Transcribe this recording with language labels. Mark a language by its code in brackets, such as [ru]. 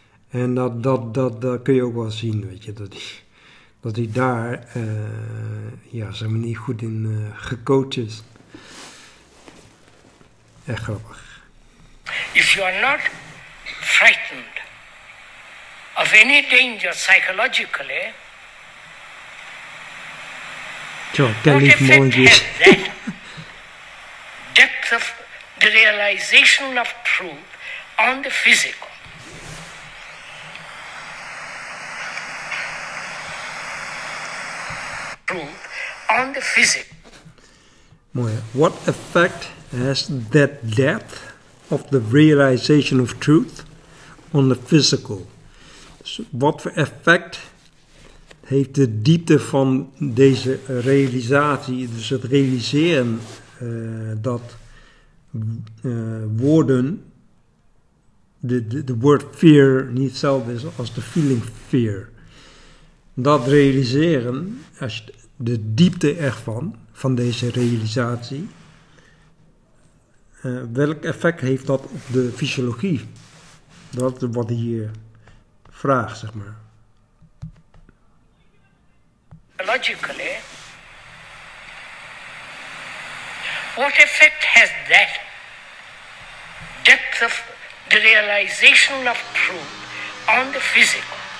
[nl] En dat kun je ook wel zien, weet je, dat hij daar zeg maar niet goed in gecoacht is. Echt grappig. [en] If you are not frightened of any danger psychologically, what effect has that depth of the realization of truth on the physical? Truth on the physical. What effect has that depth of the realization of truth on the physical? [nl] Wat voor effect heeft de diepte van deze realisatie, dus het realiseren dat woorden de [en] word fear [nl] niet hetzelfde is als de [en] feeling fear. [nl] Dat realiseren, als je de diepte ervan, van deze realisatie, welk effect heeft dat op de fysiologie? Dat is wat hij hier vraagt, zeg maar. [en] Logically, what effect has that depth of the realization of truth on the physical?